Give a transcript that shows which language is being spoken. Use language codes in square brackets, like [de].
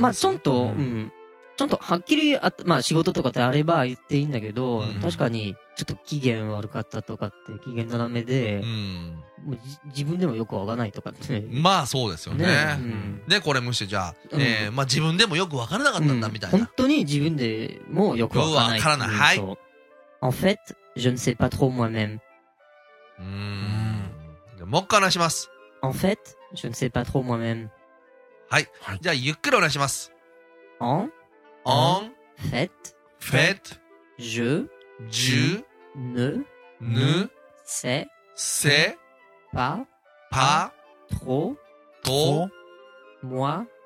[ja] う、まあ、ちょっと、うん、ちょっとはっきり、あ、まあ、仕事とかであれば言っていいんだけど、うん、確かにちょっと機嫌悪かったとかって、機嫌斜めで、うん、もう自分でもよくわからないとかって、まあそうですよ ね、ね、うん、でこれむしろじゃあ、まあ、自分でもよくわからなかったんだみたいな、うん、本当に自分でもよくわからない、はい、 [fr] En fait je ne sais pas trop moi-même、 [ja] うーん、もっかなします、 [fr] En fait, je ne sais pas trop moi-même. [ja] はい。じゃあ、ゆっくりお願いします。 [fr] En, en fait, fait, je ne, ne sais, sais pas, pas trop, trop moi,